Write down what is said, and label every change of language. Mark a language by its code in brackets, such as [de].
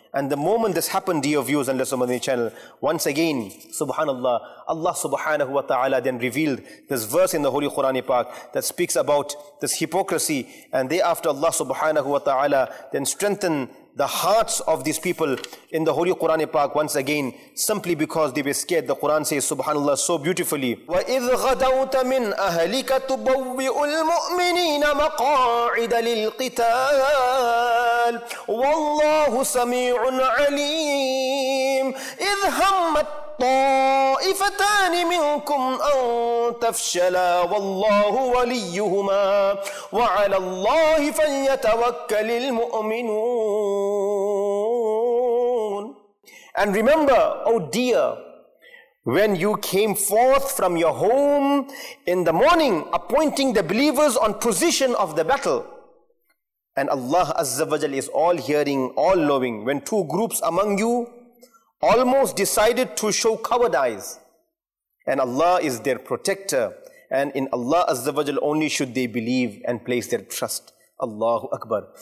[en] And the moment this happened, dear viewers and listeners of Madani channel, once again, subhanallah, Allah subhanahu wa ta'ala then revealed this verse in the Holy Quran Pak that speaks about this hypocrisy. And thereafter, Allah subhanahu wa ta'ala then strengthened the hearts of these people in the Holy Quran Pak once again, simply because they were scared. The Quran says, subhanallah, so beautifully, [ar] وَإِذْ غَدَوْتَ مِنْ أَهْلِكَ تُبَوِّئُ الْمُؤْمِنِينَ مَقَاعِدَ لِلْقِتَالِ وَاللَّهُ سَمِيعٌ عَلِيمٌ إِذْ هَمَّتْ طائفتان منكم أن تفشلا والله وليهما وعلى الله فليتوكل المؤمنون. [en] And remember, O dear, when you came forth from your home in the morning, appointing the believers on position of the battle. And Allah Azza wa Jal is all hearing, all knowing. When two groups among you almost decided to show cowardice, and Allah is their protector, and in Allah Azza wa Jal only should they believe and place their trust. Allahu Akbar.